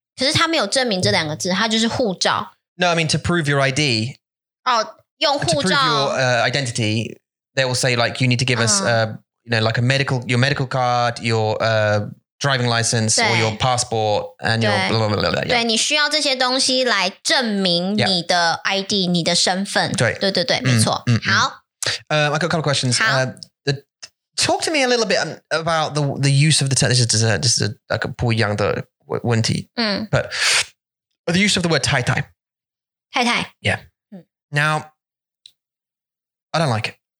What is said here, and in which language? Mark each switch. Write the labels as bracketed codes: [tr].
[zh] 可是它没有证明这两个字, 它就是护照。 [en] No, I mean to prove your ID. [zh] 哦,用护照。 [en] To prove your identity, they will say like, you need to give us, you know, like a medical, your medical card, your driving license, or your passport, and your blah, blah, blah, blah. Yeah. [zh] 对,你需要这些东西来证明你的 ID, 你的身份。对,没错。 [en] 好。I got a couple of questions. Talk to me a little bit about the use of the term. This is a, like a [zh] 不一样的问题. [en] But the use of the word 太太. [zh] 太太. [en] Yeah. Now, I don't like it.